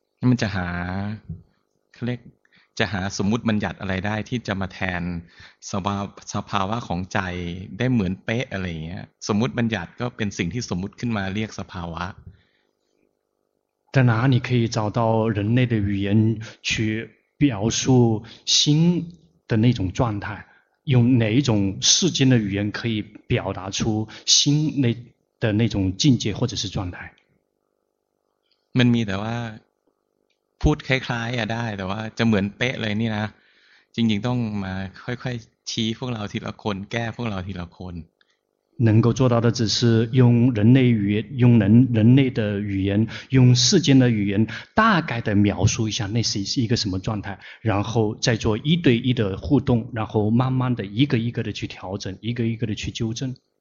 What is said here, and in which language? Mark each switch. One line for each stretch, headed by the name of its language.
Thai: มันจะหาเขาเรียกจะหาสมมุติบัญญัติอะไรได้ที่จะมาแทนสภาวะของใจได้เหมือนเป๊ะอะไรอย่างเงี้ยสมมุติบัญญัติก็เป็นสิ่งที่สมมุติขึ้นมาเรียกสภาวะ
Chinese: 在哪里可以找到人类的语言去表述心的那种状态用哪一种世间的语言可以表达出心的那种境界或者是状态
Thai: มันมีแต่ว่าพูดคล้ายๆอ่ะได้แต่ว่าจะเหมือนเป๊ะเลยนี่นะจริงๆต้องมาค่อยๆชี้พวกเราทีละคนแก้พวกเราทีละคน
Chinese: 能够做到的只是用人类语言用人类的语言用世间的语言大概的描述一下那是一个什么状态然后再做一对一的互动然后慢慢的一个一个的去调整一个一个的去纠正